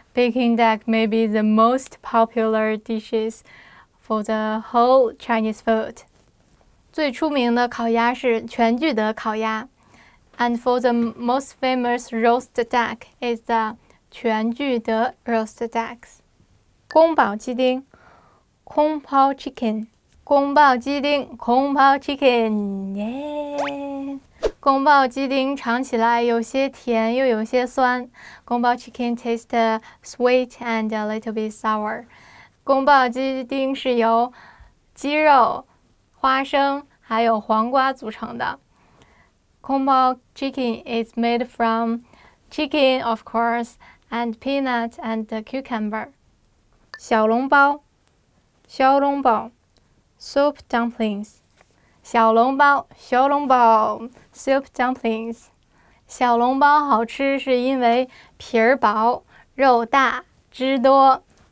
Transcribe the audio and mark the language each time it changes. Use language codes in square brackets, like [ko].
[en] Peking duck may be the most popular dishes for the whole Chinese food. [zh] 最出名的烤鸭是全聚德烤鸭。 [en] And for the most famous roast duck is the 全聚德 roast ducks. [zh] 宫保鸡丁 Kung Pao chicken. 宫保鸡丁 Kung Pao chicken. Yeah! 宫保鸡丁尝起来有些甜又有些酸。 [en] 宫保 chicken tastes sweet and a little bit sour. [zh] 宫保鸡丁是由鸡肉、花生还有黄瓜组成的。 [en] 宫保 chicken is made from chicken, of course, and peanut and cucumber. [zh] 小笼包，小笼包 ， [en] soup dumplings. [zh] 小笼包小笼包 [en] soup dumplings [zh] 小笼包好吃是因为皮儿薄肉大汁多